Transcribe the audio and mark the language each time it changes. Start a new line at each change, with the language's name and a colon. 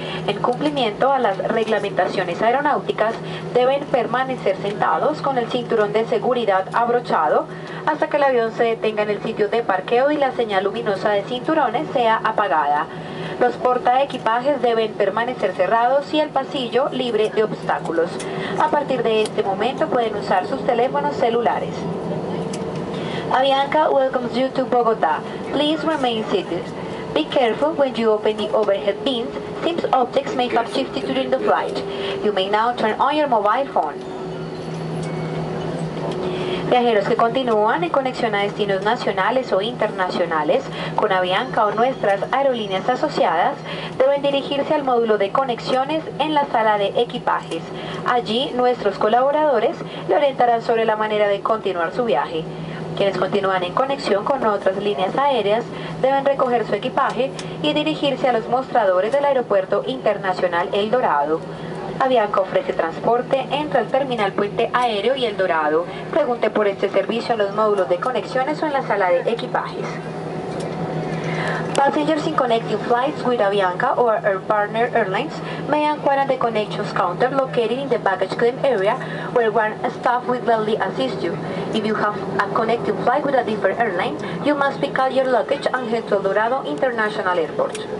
Spanish: En cumplimiento a las reglamentaciones aeronáuticas, deben permanecer sentados con el cinturón de seguridad abrochado hasta que el avión se detenga en el sitio de parqueo y la señal luminosa de cinturones sea apagada. Los portaequipajes deben permanecer cerrados y el pasillo libre de obstáculos. A partir de este momento pueden usar sus teléfonos celulares.
English: Avianca welcomes you to Bogotá. Please remain seated. Be careful when you open the overhead bins, since objects may have shifted during the flight. You may now turn on your mobile phone.
Spanish: Viajeros que continúan en conexión a destinos nacionales o internacionales con Avianca o nuestras aerolíneas asociadas deben dirigirse al módulo de conexiones en la sala de equipajes. Allí nuestros colaboradores le orientarán sobre la manera de continuar su viaje. Quienes continúan en conexión con otras líneas aéreas deben recoger su equipaje y dirigirse a los mostradores del Aeropuerto Internacional El Dorado. Avianca ofrece transporte entre el terminal Puente Aéreo y El Dorado. Pregunte por este servicio en los módulos de conexiones o en la sala de equipajes.
English: Passengers in connecting flights with Avianca or our partner airlines may inquire at the connections counter located in the baggage claim area, where one staff will gladly assist you. If you have a connecting flight with a different airline, you must pick up your luggage and head to El Dorado International Airport.